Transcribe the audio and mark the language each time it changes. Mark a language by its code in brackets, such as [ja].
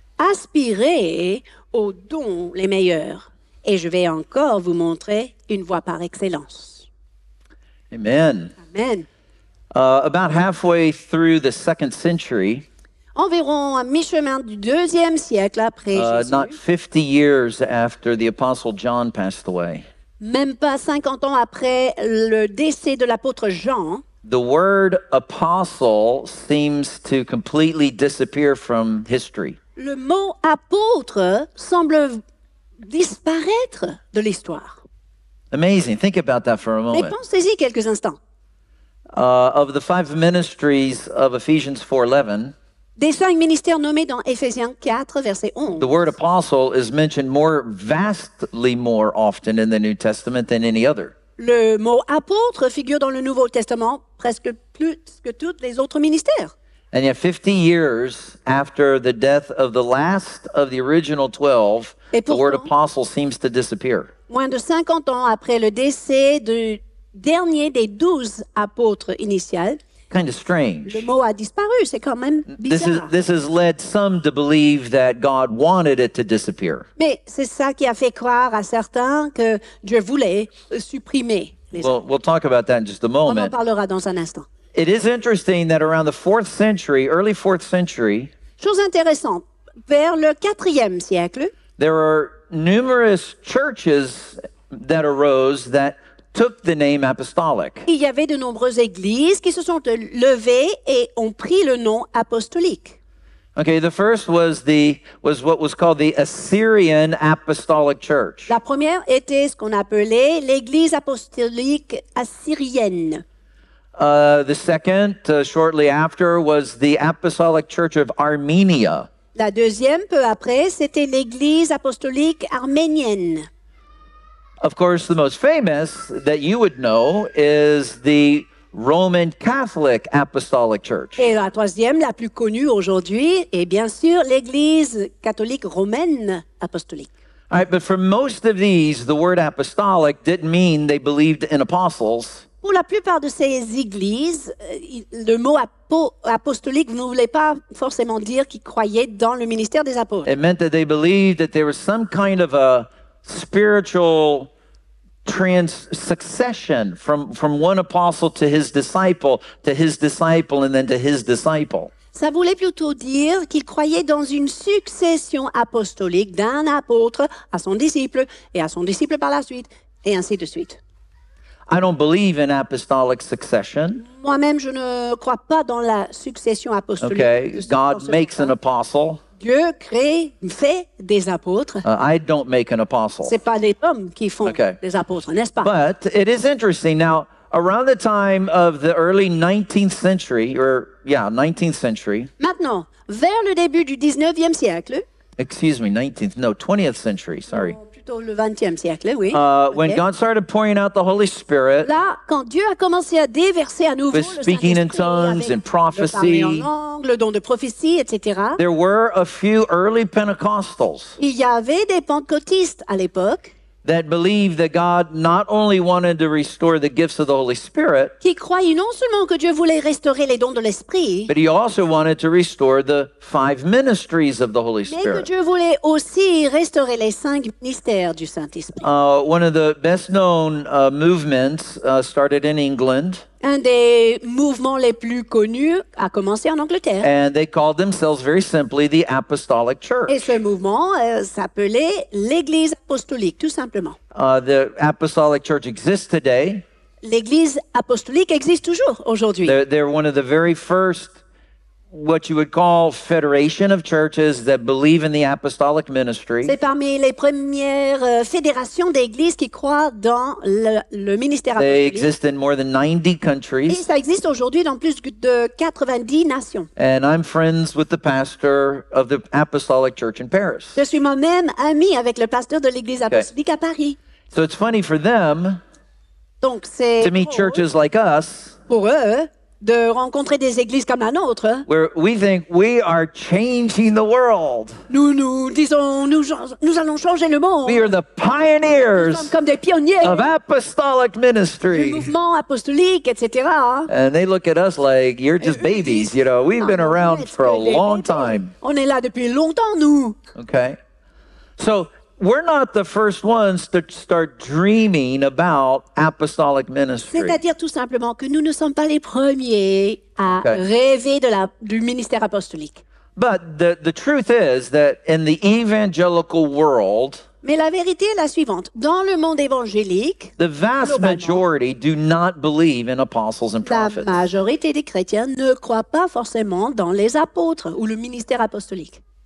[fr] Aspirez aux dons les meilleurs, et je vais encore vous montrer une voie par excellence. Amen. Amen. [en] About halfway through the second century, [fr] environ à mi-chemin du deuxième siècle après Jésus, [en] not 50 years after the Apostle John passed away, [fr] même pas 50 ans après le décès de l'apôtre Jean, [en] the word apostle seems to completely disappear from history. [fr] Le mot apôtre semble disparaître de l'histoire. [en] Amazing. Think about that for a moment. [fr] Mais pensez-y quelques instants. [en] Of the five ministries of Ephesians 4:11, [fr] des cinq ministères nommés dans Éphésiens 4, verset 11. [en] The word apostle is mentioned more vastly more often in the New Testament than any other. [fr] Le mot apôtre figure dans le Nouveau Testament presque plus que tous les autres ministères. [en] And yet 50 years after the death of the last of the original 12, [fr] pourtant, [en] the word apostle seems to disappear. [fr] Moins de 50 ans après le décès du dernier des 12 apôtres initiaux, [en] kind of strange. [fr] Le mot a disparu, c'est quand même bizarre. [en] This has led some to believe that God wanted it to disappear. [fr] Mais c'est ça qui a fait croire à certains que Dieu voulait supprimer les. [en] Well, we'll talk about that in just a moment. [fr] On en parlera dans un instant. [en] It is interesting that around the 4th century, early 4th century, [fr] chose intéressante, vers le 4e siècle, [en] there are numerous churches that arose that took the name apostolic. [fr] Il y avait de nombreuses églises qui se sont levées et ont pris le nom apostolique. [en] Okay, the first was what was called the Assyrian Apostolic Church. [fr] La première était ce qu'on appelait l'église apostolique assyrienne. [en] The second, shortly after, was the Apostolic Church of Armenia. [fr] La deuxième, peu après, c'était l'église apostolique arménienne. [en] Of course, the most famous that you would know is the Roman Catholic Apostolic Church. [fr] Et la troisième, la plus connue aujourd'hui, est bien sûr l'Église catholique romaine apostolique. [en] All right, but for most of these, the word apostolic didn't mean they believed in apostles. [fr] Pour la plupart de ces églises, le mot apostolique ne voulait pas forcément dire qu'ils croyaient dans le ministère des apôtres. [en] It meant that they believed that there was some kind of a spiritual succession from one apostle to his disciple, to his disciple, and then to his disciple. [fr] Ça voulait plutôt dire qu'il croyait dans une succession apostolique d'un apôtre à son disciple et à son disciple par la suite, et ainsi de suite. [en] I don't believe in apostolic succession. [fr] Moi-même, je ne crois pas dans la succession apostolique. [en] Okay, God makes an apostle. [fr] Dieu crée, fait des apôtres. [en] I don't make an apostle. [fr] C'est pas les hommes qui font okay. des apôtres, n'est-ce pas? [en] But it is interesting. Now, around the time of the early 19th century, or yeah, 19th century. [fr] Maintenant, vers le début du 19e siècle. [en] Excuse me, 19th, no, 20th century, sorry. [fr] Plutôt le 20e siècle, oui. [en] When God started pouring out the Holy Spirit. [fr] Là, quand Dieu a commencé à déverser à nouveau le Saint-Esprit. [en] Speaking in tongues and prophecy. [fr] Le parler en langue, le don de prophétie, etc. [en] There were a few early Pentecostals. [fr] Il y avait des pentecôtistes à l'époque. [en] That believed that God not only wanted to restore the gifts of the Holy Spirit, [fr] qui croyait non seulement que Dieu voulait restaurer les dons de l'esprit, [en] but he also wanted to restore the five ministries of the Holy Spirit. [fr] Mais que Dieu voulait aussi restaurer les cinq ministères du Saint-Esprit. [en] One of the best known movements started in England. [fr] Un des mouvements les plus connus a commencé en Angleterre. [en] And they called themselves very simply the Apostolic Church. [fr] Et ce mouvement s'appelait l'Église apostolique, tout simplement. [en] The Apostolic Church exists today. [fr] L'Église apostolique existe toujours aujourd'hui. [en] They're one of the very first, what you would call, federation of churches that believe in the apostolic ministry. [fr] C'est parmi les premières fédérations d'églises qui croient dans le ministère apostolique. [en] They exist in more than 90 countries. [fr] Et ça existe aujourd'hui dans plus de 90 nations. [en] And I'm friends with the pastor of the apostolic church in Paris. [fr] Je suis moi-même ami avec le pasteur de l'église apostolique okay. à Paris. [en] So it's funny for them [fr] Donc c'est [en] to meet churches like us. [fr] Pour eux, de rencontrer des églises comme la nôtre. [en] Where we think we are changing the world. [fr] Nous disons, nous allons changer le monde. [en] We are the pioneers. [fr] Nous sommes comme des pionniers. [en] Of apostolic ministry. [fr] Du mouvement apostolique, etc. [en] And they look at us like you're just babies, you know. We've been around for a long time. [fr] On est là depuis longtemps, nous. [en] Okay. So we're not the first ones to start dreaming about apostolic ministry. [fr] C'est-à-dire tout simplement que nous ne sommes pas les premiers à rêver du ministère apostolique. [en] But the truth is that in the evangelical world, [fr] mais la vérité est la suivante. Dans le monde évangélique, [en] the vast majority do not believe in apostles and prophets. [fr] La majorité des chrétiens ne croient pas forcément dans les apôtres ou le ministère apostolique.